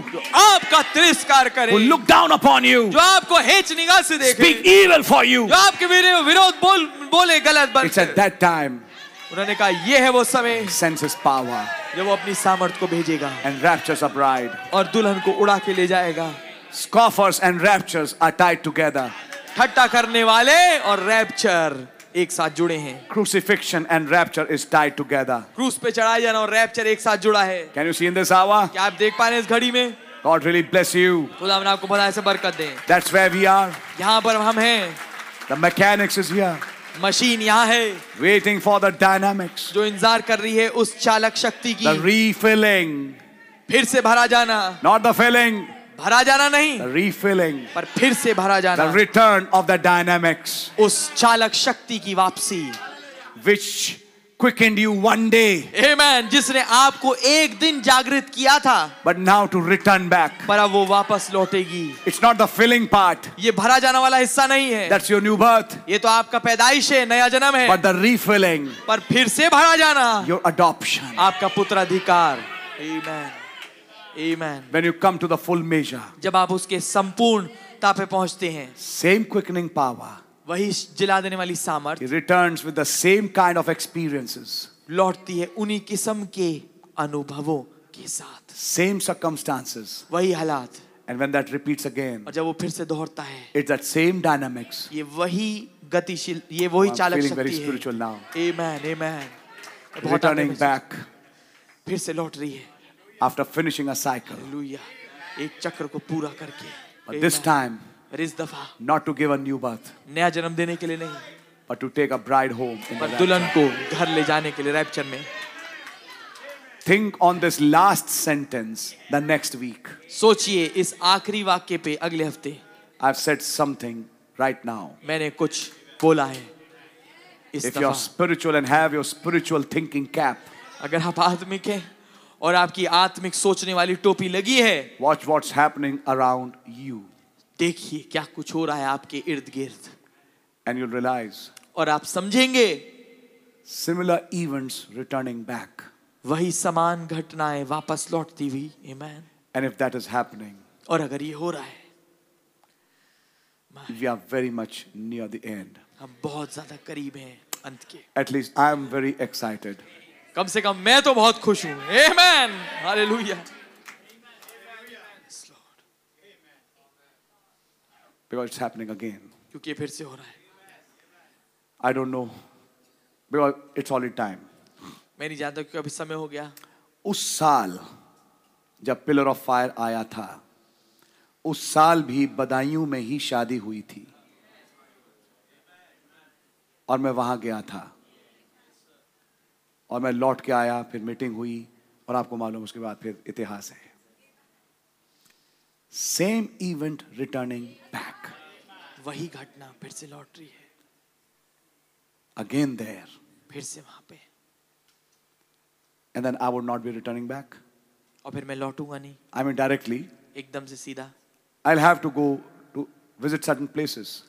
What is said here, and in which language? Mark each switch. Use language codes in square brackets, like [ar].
[hi] जो आपका तिरस्कार करे. [en] Who look down upon you? [hi] जो आपको हेच निगाह से देखे. [en] Speak evil for you? [hi] जो आपके विरोध बोले गलत बात. [en] It's at that time. [hi] उन्होंने कहा ये है वो समय. [en] Sense his power. [hi] जब वो अपनी सामर्थ को भेजेगा. [en] And raptures a bride. [hi] और दुल्हन को उड़ा के ले जाएगा. [en] Scoffers and raptures are tied together. [hi] ठट्टा करने वाले और रैप्चर एक साथ जुड़े हैं. [en] Crucifixion and rapture is tied together. [hi] क्रूस पे चढ़ाया जाना और रैप्चर एक साथ जुड़ा है. [en] Can you see in this hour? [hi] क्या आप देख पा रहे हैं इस घड़ी में? [en] God really bless you. [hi] खुदा आपको बधाई से बरकत दे. [en] That's where we are. [hi] यहाँ पर हम हैं. [en] The mechanics is here. [hi] Machine यहाँ है. [en] Waiting for the dynamics. [hi] जो इंतजार कर रही है उस चालक शक्ति की. [en] The refilling. [hi] फिर से भरा जाना. [en] Not the filling. [hi] भरा जाना नहीं. [en] The refilling. [hi] पर फिर से भरा जाना. [en] The return of the dynamics. [hi] उस चालक शक्ति की वापसी. [en] Which quickened you one day. Amen. [hi] जिसने आपको एक दिन जागृत किया था. [en] But now to return back. [hi] पर अब वो वापस लौटेगी. [en] It's not the filling part. [hi] ये भरा जाना वाला हिस्सा नहीं है. [en] That's your new birth. [hi] ये तो आपका पैदाइश है, नया जन्म है. [en] But the refilling. [hi] पर फिर से भरा जाना. [en] Your adoption. [hi] आपका पुत्राधिकार. [en] Amen. Amen. When you come to the full measure, [hi] जब आप उसके संपूर्ण तापे पहुंचते हैं, [en] same quickening power, [hi] वही जिला देने वाली सामर्थ, [en] returns with the same kind of experiences, [hi] लौटती है उन्हीं किस्म के अनुभवों के साथ, [en] same circumstances, [hi] वही हालात, [en] and when that repeats again, [hi] और जब वो फिर से दोहरता है, [en] it's that same dynamics, [hi] ये वही गतिशील, ये वही चालक शक्ति है, [en] feeling very spiritual now, amen, amen, returning back, [hi] फिर से लौट रही है. [en] After finishing a cycle. Hallelujah. [hi] एक चक्र को पूरा करके. [en] But this time. [hi] और इस दफा. [en] Not to give a new birth. [hi] नया जन्म देने के लिए नहीं. [en] But to take a bride home. [hi] पर दुल्हन को घर ले जाने के लिए रैप्चर में. [en] Think on this last sentence the next week. [hi] सोचिए इस आखिरी वाक्य पे अगले हफ्ते. [en] I've said something right now. [hi] मैंने कुछ बोला है. [en] If you're spiritual and have your spiritual thinking cap. [hi] अगर आप आत्मिक हैं. और आपकी आत्मिक सोचने वाली टोपी लगी है. [en] Watch what's happening around you. [hi] देखिए क्या कुछ हो रहा है आपके इर्द गिर्द. [en] And you'll realize. [hi] और आप समझेंगे. [en] Similar events returning back. [hi] वही समान घटनाएं वापस लौटती हुई. [en] Amen. And if that is happening. [hi] और अगर ये हो रहा है. [en] We are very much near the end. [hi] हम बहुत ज्यादा करीब हैं अंत के. [en] At least I am very excited. [hi] कम से कम मैं तो बहुत खुश हूं. [en] Amen. Hallelujah. Because it's happening again. [hi] क्योंकि फिर से हो रहा है. [en] I don't know Because it's already time. [hi] मैं नहीं जानता क्योंकि अभी समय हो गया. उस साल जब [en] pillar of fire [hi] आया था, उस साल भी बदायूं में ही शादी हुई थी और मैं वहां गया था और मैं लौट के आया, फिर मीटिंग हुई और आपको मालूम उसके बाद फिर इतिहास है. [en] same event returning back, [hi] वही घटना फिर से लौट रही है. [en] again there, [hi] फिर से वहां पे. [en] And then I would not be returning back. [hi] और फिर मैं लौटूंगा नहीं. [en] I mean directly. [hi] एकदम से सीधा. [en] I'll have to go to visit certain places.